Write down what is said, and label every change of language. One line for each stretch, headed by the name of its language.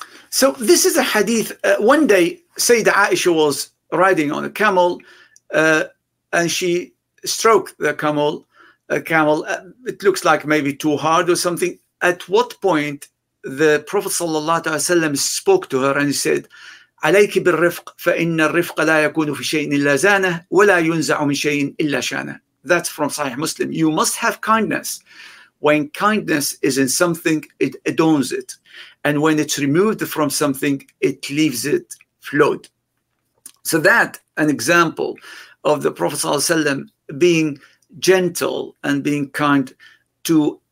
English: So this is a hadith. One day Sayyidah Aisha was riding on a camel and she stroked the camel. It looks like maybe too hard or something. At what point the Prophet sallallahu alaihi wasallam spoke to her and said,
Arabic: عليك بالرفق فإن الرفق لا يكون في شيء إلا زانة ولا ينزع من شيء إلا شانة.
English: That's from Sahih Muslim. You must have kindness. When kindness is in something, it adorns it. And when it's removed from something, it leaves it flawed. So that an example of the Prophet sallallahu alaihi wasallam being gentle and being kind to